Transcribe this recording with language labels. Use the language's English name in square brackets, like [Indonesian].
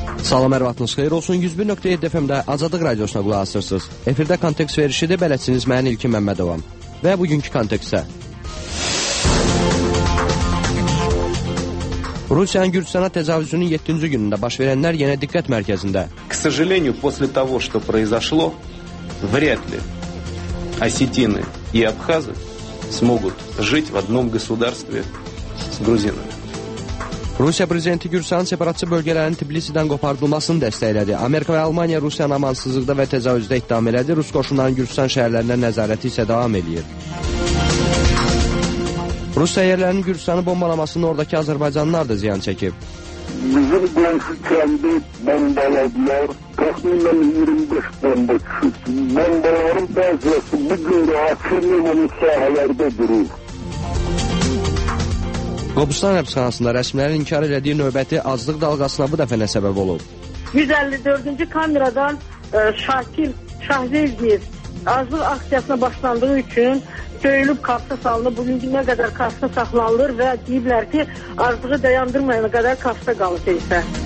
[Azerbaijani] Salam, hər vaxtınız xeyir olsun. 101.7 FM-də Azadlıq Radiosuna qulaq asırsınız. Efirdə kontekst verişidə bələdçiniz mənim İlkin Məmmədovam. Və bugünkü kontekstə. Rusiyanın Gürcüstana təcavüzünün 7-ci günündə baş verənlər yenə diqqət mərkəzində. [Russian] К сожалению, после того, что произошло, вряд ли осетины и абхазы смогут жить в одном государстве с грузинами. [Azerbaijani] Rusiya prezidenti Gürcüstanın separatçı bölgələrinin Tbilisi-dən qopardılmasını dəstəklədi. Amerika və Almaniya Rusiyanın amansızlıqda və təcavüzdə ittiham elədi. Rus qoşunlarının Gürcüstan şəhərlərində nəzarəti isə davam edir. Rus səyyərlərinin Gürcüstanı bombalamasının oradakı Azərbaycanlılar da ziyan çəkib. Bizim qonşu kəndi bombaladılar. Təxminən 25 bomba çıxıb. Bombaların bəziləsi bu gün rahatçılığının sahələrdə durur. Qobustan həbsxanasında rəsmilərin inkar elədiyi növbəti aclıq dalğasına bu dəfə nə səbəb olub? 154-cü kameradan Şakir Şahzeyev aclıq aksiyasına başlandığı üçün döyülüb kapsa salınıb, bugün günə qədər kapsa saxlanılır və deyiblər ki, aclığı dayandırmayana qədər kapsa qalıb isə.